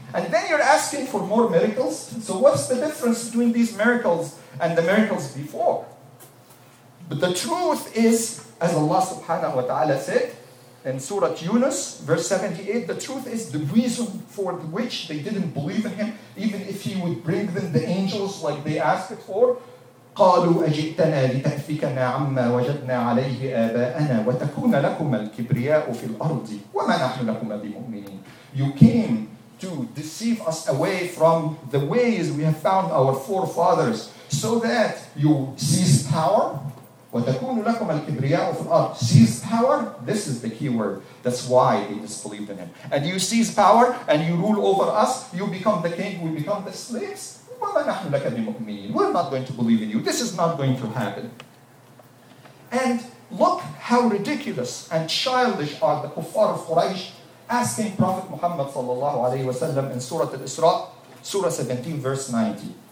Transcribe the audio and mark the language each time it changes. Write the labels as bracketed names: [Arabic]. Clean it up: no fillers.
[English] And then you're asking for more miracles. So what's the difference between these miracles and the miracles before? But the truth is, as Allah subhanahu wa ta'ala said in Surah Yunus, verse 78, the truth is the reason for which they didn't believe in him, even if he would bring them the angels like they asked it for. [Arabic] قالوا أجئتنا لتأفكنا عما وجدنا عليه آباءنا وتكون لكم الكبرياء في الأرض وما نحن لكم بمؤمنين. [English] You came to deceive us away from the ways we have found our forefathers so that you seize power. [Arabic] وتكون لكم الكبرياء في الأرض. [English] Seize power? This is the key word. That's why they disbelieved in him. And you seize power and you rule over us. You become the king, we become the slaves. [Arabic] وَمَا نَحْنُ لَكَ بِمُؤْمِنِينَ [English] We're not going to believe in you. This is not going to happen. And look how ridiculous and childish are the kuffar of Quraysh asking Prophet Muhammad صلى الله عليه وسلم in Surah Al-Isra, Surah 17, verse 90.